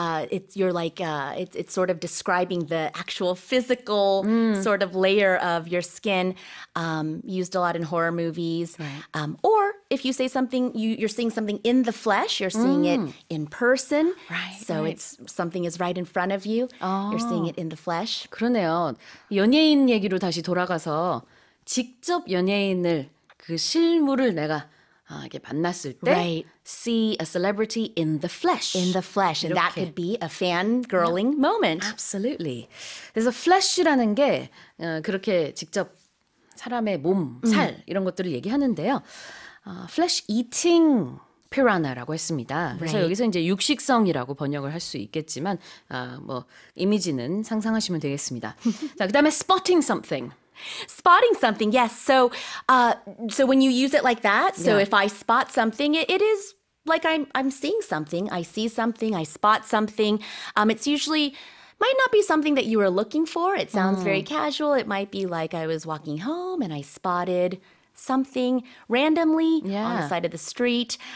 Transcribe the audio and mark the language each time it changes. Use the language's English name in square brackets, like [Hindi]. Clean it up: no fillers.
[English] It's sort of describing the actual physical sort of layer of your skin, used a lot in horror movies. Right. Or if you say something, you're seeing something in the flesh, you're seeing it in person. Right. So it's something is right in front of you. Oh. You're seeing it in the flesh. [Korean] 그러네요. 연예인 얘기로 다시 돌아가서 직접 연예인을 그 실물을 내가 이렇게 만났을 때 [English] right. see a celebrity in the flesh. In the flesh. And that could be a fangirling moment. Absolutely. There's a flesh [Korean] 라는 게 그렇게 직접 사람의 몸, 살 이런 것들을 얘기하는데요. [English] Flesh eating piranha [Korean] 라고 했습니다. 그래서 [English] right. [Korean] 여기서 이제 육식성이라고 번역을 할 수 있겠지만 뭐 이미지는 상상하시면 되겠습니다. 자, 그다음에 [English] spotting something. Yes. So so when you use it like that, so if I spot something, it is like I'm seeing something. I see something, I spot something. It's usually might not be something that you were looking for. It sounds very casual. It might be like I was walking home and I spotted something randomly on the side of the street.